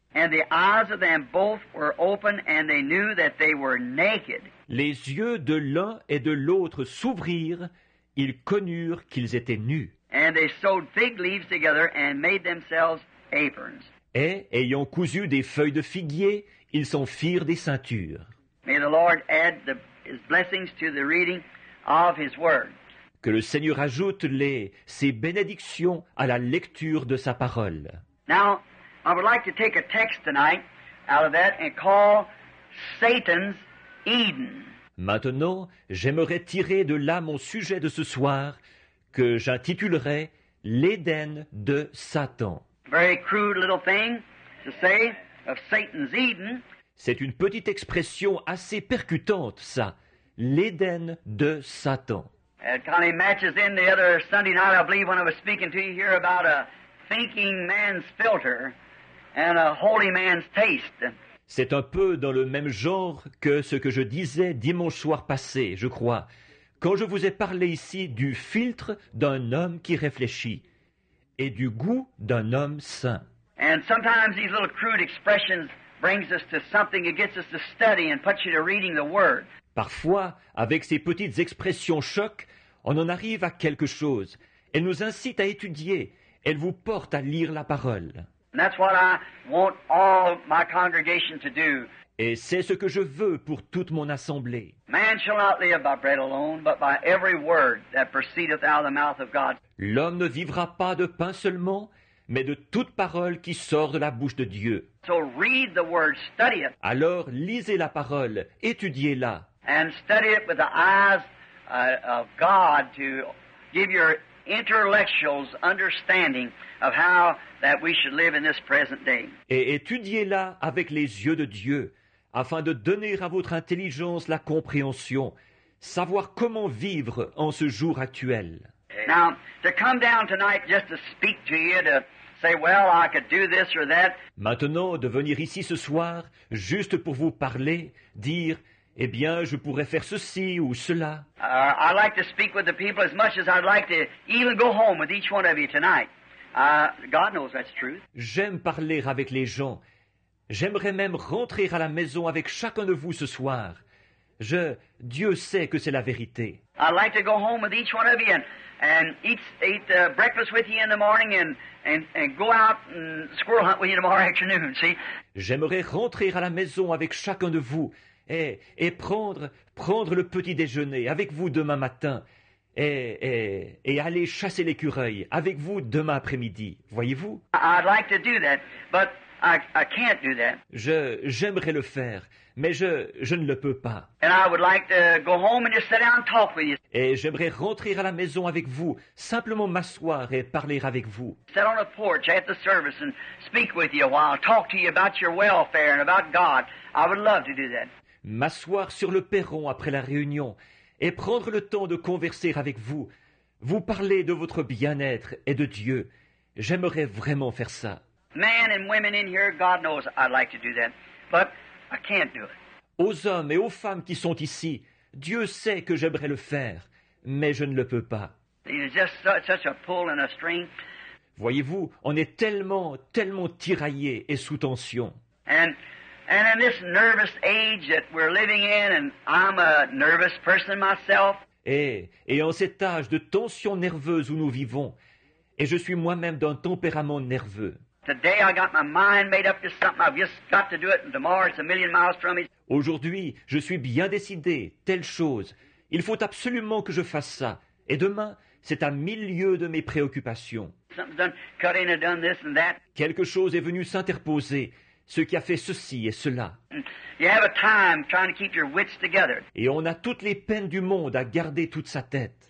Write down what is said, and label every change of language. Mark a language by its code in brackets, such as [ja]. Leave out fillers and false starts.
[en] And the eyes of them both were open and they knew that they were naked. [fr] Les yeux de l'un et de l'autre s'ouvrirent. Ils connurent qu'ils étaient nus. [en] And they sewed fig leaves together and made themselves aprons. [fr] Et, ayant cousu des feuilles de figuier, ils s'en firent des ceintures. [en] May the Lord add his blessings to the reading of his word. [fr] Que le Seigneur ajoute ses bénédictions à la lecture de sa parole. [en] Now, I would like to take a text tonight out of that and call Satan's Eden. [fr] Maintenant, j'aimerais tirer de là mon sujet de ce soir, que j'intitulerai l'Éden de Satan. [en] Very crude little thing to say of Satan's Eden. [fr] C'est une petite expression assez percutante, ça, l'Éden de Satan. [en] It kind of matches in the other Sunday night, I believe, when I was speaking to you here about a thinking man's filter and a holy man's taste. [fr] C'est un peu dans le même genre que ce que je disais dimanche soir passé, je crois, quand je vous ai parlé ici du filtre d'un homme qui réfléchit et du goût d'un homme saint. [en] And sometimes these little crude expressions brings us to something that gets us to study and puts you to reading the word. [fr] Parfois, avec ces petites expressions choc, on en arrive à quelque chose. Elle nous incite à étudier. Elle vous porte à lire la parole. [en] And that's what I want all my congregation to do. [fr] Et c'est ce que je veux pour toute mon assemblée. [en] Man shall not live by bread alone, but by every word that proceedeth out of the mouth of God. [fr] L'homme ne vivra pas de pain seulement, mais de toute parole qui sort de la bouche de Dieu. [en] So read the word, study it. [fr] Alors lisez la parole, étudiez-la. [en] And study it with the eyes of God to give your intellectuals understanding of how that we should live in this present day. [fr] Et étudiez-la avec les yeux de Dieu, afin de donner à votre intelligence la compréhension, savoir comment vivre en ce jour actuel. [en] Now, to come down tonight just to speak to you, to say, well, I could do this or that. [fr] Maintenant, de venir ici ce soir, juste pour vous parler, dire, eh bien, je pourrais faire ceci ou cela. [en] I'd like to speak with the people as much as I'd like to even go home with each one of you tonight. God knows that's true. [fr] J'aime parler avec les gens. J'aimerais même rentrer à la maison avec chacun de vous ce soir. Dieu sait que c'est la vérité. [en] I'd like to go home with each one of you and eat breakfast with you in the morning and go out and squirrel hunt with you tomorrow afternoon, see? [fr] J'aimerais rentrer à la maison avec chacun de vous et prendre le petit déjeuner avec vous demain matin et aller chasser l'écureuil avec vous demain après-midi, voyez-vous? [en] I'd like to do that, but I can't do that. [fr] J'aimerais le faire. Mais je ne le peux pas. [en] And I would like to go home and just sit down and talk with you. [fr] Et j'aimerais rentrer à la maison avec vous, simplement m'asseoir et parler avec vous. [en] Sit on the porch at the service and speak with you a while, talk to you about your welfare and about God. I would love to do that. [fr] M'asseoir sur le perron après la réunion et prendre le temps de converser avec vous, vous parler de votre bien-être et de Dieu. J'aimerais vraiment faire ça. [en] Men and women in here, God knows I'd like to do that. But I can't do it. [fr] Aux hommes et aux femmes qui sont ici, Dieu sait que j'aimerais le faire, mais je ne le peux pas. [en] It's just such a pull and a string. [fr] Voyez-vous, on est tellement, tellement tiraillé et sous tension. [en] And in this nervous age that we're living in, and I'm a nervous person myself. [fr] Et en cet âge de tension nerveuse où nous vivons, et je suis moi-même d'un tempérament nerveux. [en] Today I got my mind made up to something. I've just got to do it. And tomorrow it's a million miles from me. [fr] Aujourd'hui, je suis bien décidé. Telle chose. Il faut absolument que je fasse ça. Et demain, c'est à mille lieues de mes préoccupations. [en] Something's done, cut in and done this and that. [fr] Quelque chose est venu s'interposer. Ce qui a fait ceci et cela. [en] You have a time trying to keep your wits together. [fr] Et on a toutes les peines du monde à garder toute sa tête.